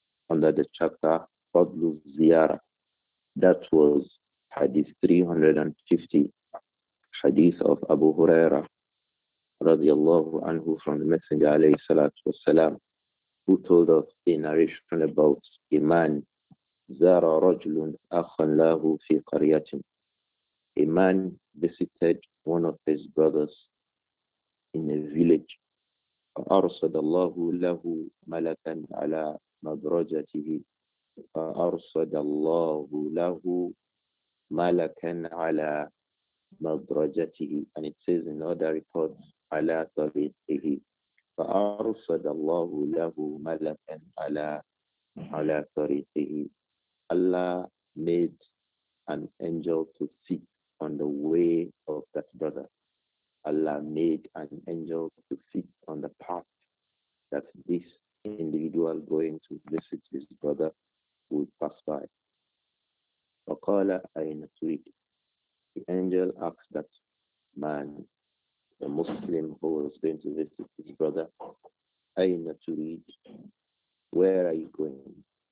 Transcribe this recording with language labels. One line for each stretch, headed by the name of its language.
English: Under the chapter Fadlu Ziyara, that was hadith 350, hadith of Abu Huraira radiallahu anhu from the Messenger alayhi salatu wasalam, who told us a narration about a man,
Arabic: زَارَ رَجْلٌ أَخًا لَهُ فِي قَرْيَةٍ,
English: a man visited one of his brothers in a village.
Arabic: فَأَرْصَدَ اللَّهُ لَهُ مَلَكًا عَلَى مَدْرَجَتِهِ فَأَرْصَدَ اللَّهُ لَهُ مَلَكًا عَلَى مَدْرَجَتِهِ,
English: and it says in other reports,
Arabic: عَلَى طَبِيْتِهِ فَأَرْصَدَ اللَّهُ لَهُ مَلَكًا عَلَى طَرِيْتِهِ,
English: Allah made an angel to sit on the way of that brother. Allah made an angel to sit on the path that this individual going to visit his brother would pass by.
Arabic: فَقَالَ أَيْنَ تُرِيدُ,
English: the angel asked that man, the Muslim who was going to visit his brother,
Arabic: أَيْنَ تُرِيدُ,
English: where are you going?